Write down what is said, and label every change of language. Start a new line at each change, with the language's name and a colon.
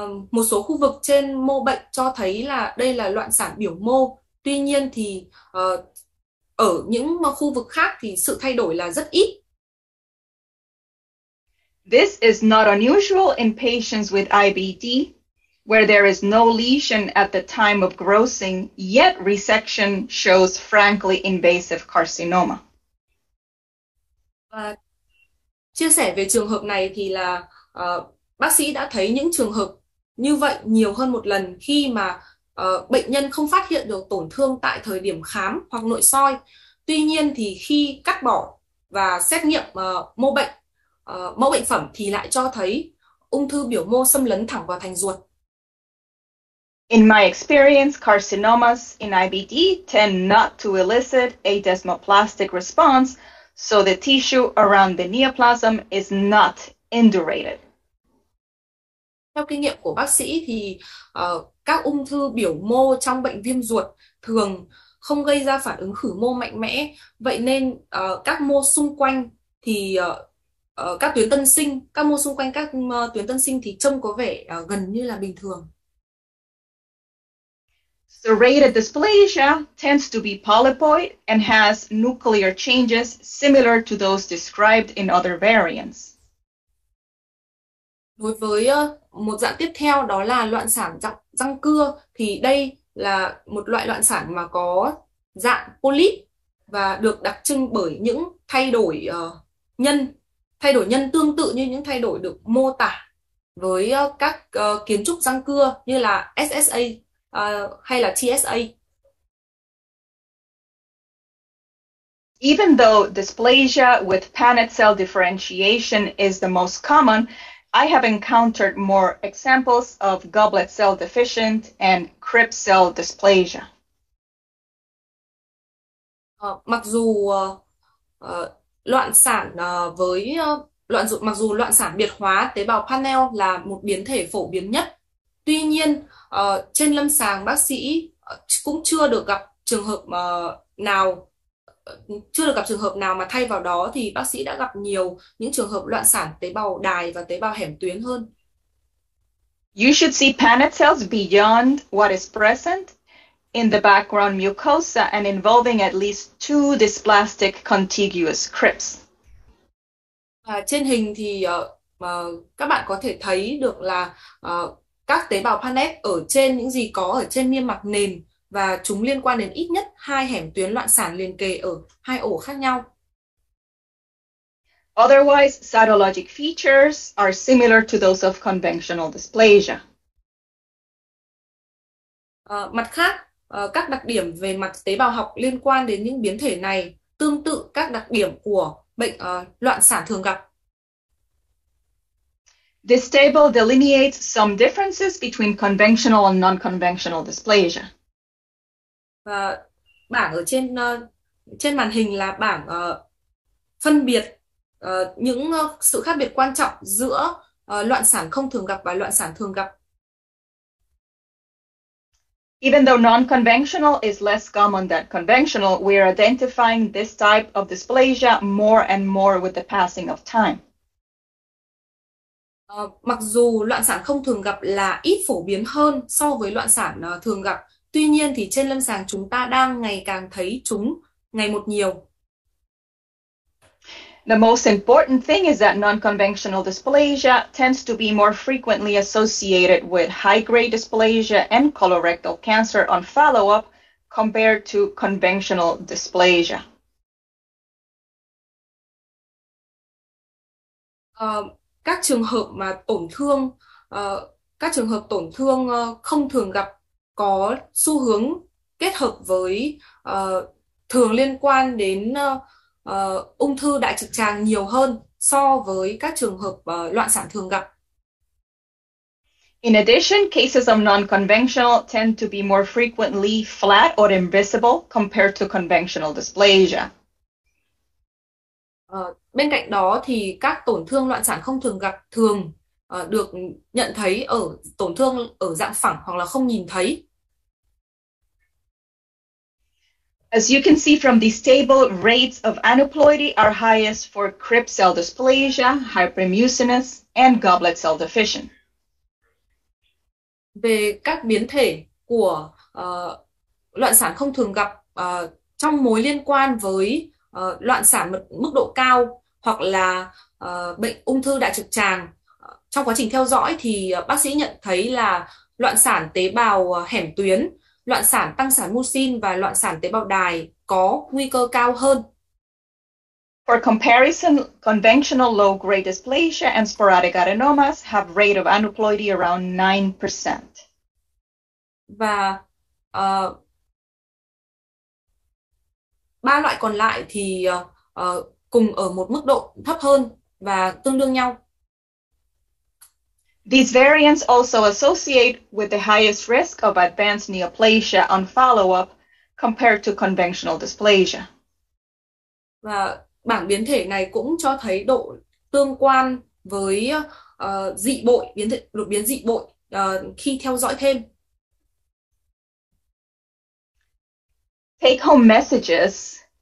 Vietnamese: Một số khu vực trên mô bệnh cho thấy là đây là loạn sản biểu mô. Tuy nhiên thì ở những khu vực khác thì sự thay đổi là rất ít.
English: This is not unusual in patients with IBD, where there is no lesion at the time of grossing, yet resection shows frankly invasive carcinoma.
Vietnamese: Chia sẻ về trường hợp này thì là bác sĩ đã thấy những trường hợp như vậy nhiều hơn một lần khi mà bệnh nhân không phát hiện được tổn thương tại thời điểm khám hoặc nội soi. Tuy nhiên thì khi cắt bỏ và xét nghiệm mô bệnh, mẫu bệnh phẩm thì lại cho thấy ung thư biểu mô xâm lấn thẳng vào thành ruột.
English: In my experience, carcinomas in IBD tend not to elicit a desmoplastic response, so the tissue around the neoplasm is not indurated.
Vietnamese: Theo kinh nghiệm của bác sĩ thì các ung thư biểu mô trong bệnh viêm ruột thường không gây ra phản ứng khử mô mạnh mẽ. Vậy nên các mô xung quanh thì các tuyến tân sinh, các mô xung quanh các tuyến tân sinh thì trông có vẻ gần như là bình thường.
English: Serrated dysplasia tends to be polypoid and has nuclear changes similar to those described in other variants.
Vietnamese: Đối với một dạng tiếp theo đó là loạn sản răng cưa thì đây là một loại loạn sản mà có dạng polyp và được đặc trưng bởi những thay đổi nhân tương tự như những thay đổi được mô tả với các kiến trúc răng cưa như là SSA hay là TSA.
English: Even though dysplasia with Paneth cell differentiation is the most common, I have encountered more examples of goblet cell deficient and crypt cell dysplasia.
Vietnamese: Mặc dù loạn sản với loạn dụng mặc dù loạn sản biệt hóa tế bào panel là một biến thể phổ biến nhất. Tuy nhiên, trên lâm sàng bác sĩ cũng chưa được gặp trường hợp nào chưa được gặp trường hợp nào mà thay vào đó thì bác sĩ đã gặp nhiều những trường hợp loạn sản tế bào đài và tế bào hẻm tuyến hơn.
English: You should see Paneth cells beyond what is present in the background mucosa and involving at least two dysplastic contiguous crypts.
Vietnamese: À, trên hình thì các bạn có thể thấy được là các tế bào Paneth ở trên những gì có ở trên niêm mạc nền và chúng liên quan đến ít nhất hai hẻm tuyến loạn sản liền kề ở hai ổ khác nhau.
English: Otherwise, cytologic features are similar to those of conventional dysplasia.
Vietnamese: Mặt khác, các đặc điểm về mặt tế bào học liên quan đến những biến thể này tương tự các đặc điểm của bệnh loạn sản thường gặp.
English: This table delineates some differences between conventional and non-conventional dysplasia.
Vietnamese: Và bảng ở trên trên màn hình là bảng phân biệt những sự khác biệt quan trọng giữa loạn sản không thường gặp và loạn sản thường gặp.
English: Even though non-conventional is less common than conventional, we are identifying this type of dysplasia more and more with the passing of time.
Vietnamese: Mặc dù loạn sản không thường gặp là ít phổ biến hơn so với loạn sản thường gặp, tuy nhiên thì trên lâm sàng chúng ta đang ngày càng thấy chúng ngày một nhiều.
English: The most important thing is that non-conventional dysplasia tends to be more frequently associated with high-grade dysplasia and colorectal cancer on follow-up compared to conventional dysplasia.
Vietnamese: Các trường hợp mà tổn thương các trường hợp tổn thương không thường gặp có xu hướng kết hợp với thường liên quan đến ung thư đại trực tràng nhiều hơn so với các trường hợp loạn sản thường gặp.
English: In addition, cases of non-conventional tend to be more frequently flat or invisible compared to conventional dysplasia.
Vietnamese: Bên cạnh đó thì các tổn thương loạn sản không thường gặp thường được nhận thấy ở tổn thương ở dạng phẳng hoặc là không nhìn thấy.
English: As you can see from this table, rates of aneuploidy are highest for crypt cell dysplasia, hypermucinous, and goblet cell deficient.
Vietnamese: Về các biến thể của loạn sản không thường gặp trong mối liên quan với loạn sản mức độ cao hoặc là bệnh ung thư đại trực tràng. Trong quá trình theo dõi thì bác sĩ nhận thấy là loạn sản tế bào hẻm tuyến, loạn sản tăng sản mucin và loạn sản tế bào đài có nguy cơ cao hơn.
English: For comparison, conventional low-grade dysplasia and sporadic adenomas have rate of aneuploidy around 9%.
Vietnamese: Và ba loại còn lại thì cùng ở một mức độ thấp hơn và tương đương nhau.
English: These variants also associate with the highest risk of advanced neoplasia on follow-up compared to conventional dysplasia.
Vietnamese: Và bảng biến thể này cũng cho thấy độ tương quan với dị bội, biến thể, đột biến dị bội khi theo dõi thêm.
English: Take home messages.